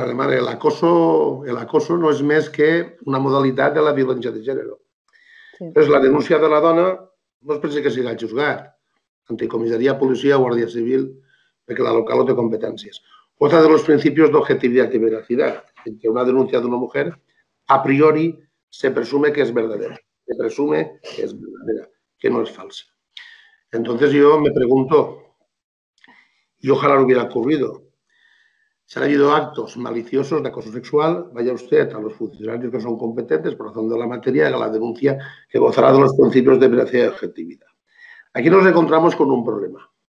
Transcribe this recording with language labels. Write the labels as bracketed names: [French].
[Spanish] Además, el acoso [Catalan] no és més que una modalitat de la violència de gènere. Sí. És la denúncia de la dona, no es pensa que siga el juzgat, anticomissaria, policia, guàrdia civil, perquè la local no té competències. [Spanish] Otra de los principios de objetividad y veracidad, en que una denuncia d'una mujer, a priori, se presume que [Catalan] és verdadera. [Spanish] Se presume que és verdadera, que no és falsa. Entonces yo me pregunto, y ojalá lo hubiera ocurrido, si han habido actos maliciosos de acoso sexual, vaya usted a los funcionarios que son competentes por razón de la materia y haga la denuncia, que gozará de los principios de veracidad y objetividad. Aquí nos encontramos con un problema.